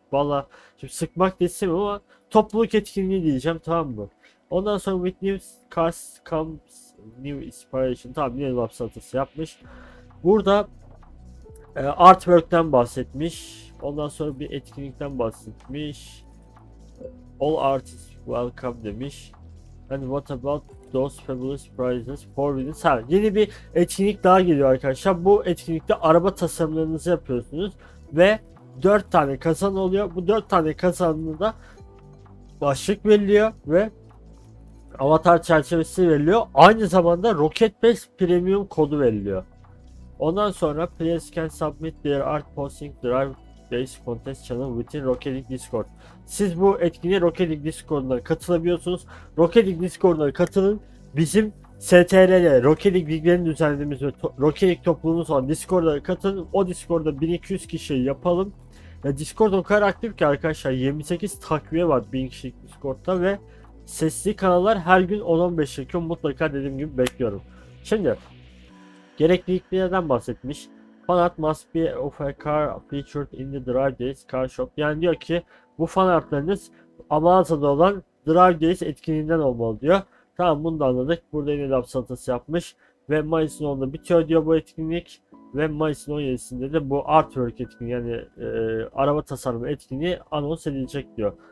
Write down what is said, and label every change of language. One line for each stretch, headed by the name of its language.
Turkish: Valla şimdi sıkmak desem ama topluluk etkinliği diyeceğim, tamam mı? Ondan sonra
English: With New Cars Comes New Inspiration,
Turkish: tamam, yine laf salatası yapmış. Burada Artwork'ten bahsetmiş. Ondan sonra bir etkinlikten bahsetmiş.
English: All Artists Welcome demiş. And what about those fabulous prizes for winners?
Turkish: Ha, yeni bir etkinlik daha geliyor arkadaşlar. Bu etkinlikte araba tasarımlarınızı yapıyorsunuz ve 4 tane kazan oluyor. Bu 4 tane kazanını da başlık veriliyor ve avatar çerçevesi veriliyor. Aynı zamanda Rocket Pass Premium kodu veriliyor. Ondan sonra
English: please can submit their art posting drive Days Contest Channel within Rocket League Discord.
Turkish: Siz bu etkinliğe Rocket League Discord'una katılabiliyorsunuz. Rocket League Discord'una katılın. Bizim STR'de Rocket League liglerini düzenlediğimiz ve Rocket League topluluğumuz olan Discord'a katılın. O Discord'da 1200 kişi yapalım. Ya Discord o kadar aktif ki arkadaşlar, 28 takviye var 1000 kişilik Discord'da ve sesli kanallar her gün 10-15 çekiyor. Mutlaka dediğim gibi bekliyorum. Şimdi gerekliliklerden bahsetmiş.
English: Fanart must be of a car featured in the Drive Days Car Shop.
Turkish: Yani diyor ki bu fanartlarınız Amasa'da olan Drive Days etkinliğinden olmalı diyor. Tamam, bunu da anladık. Burada yine laf salatası yapmış. Ve Mayıs'ın 10'unda bitiyor diyor bu etkinlik. Ve Mayıs'ın 17'sinde de bu Artwork etkinliği, yani araba tasarımı etkinliği anons edilecek diyor.